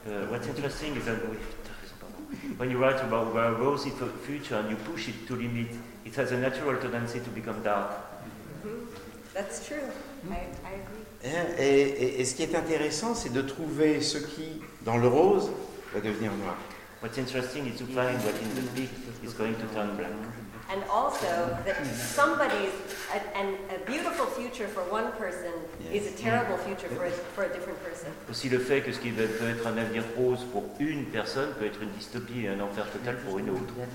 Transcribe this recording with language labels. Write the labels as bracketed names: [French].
[English] What's interesting is that when you write about a rosy future and you push it to limit, it has a natural tendency to become dark. That's true. I agree. [French] Et ce qui est intéressant, c'est de trouver ce qui, dans le rose, va devenir noir. [English] What's interesting is to find what in the pink is going to turn black. And also that somebody's a beautiful future for one person is a terrible future for a different person. [French] Aussi le fait que ce qui peut être un avenir rose pour une personne peut être une dystopie et un enfer total pour une autre.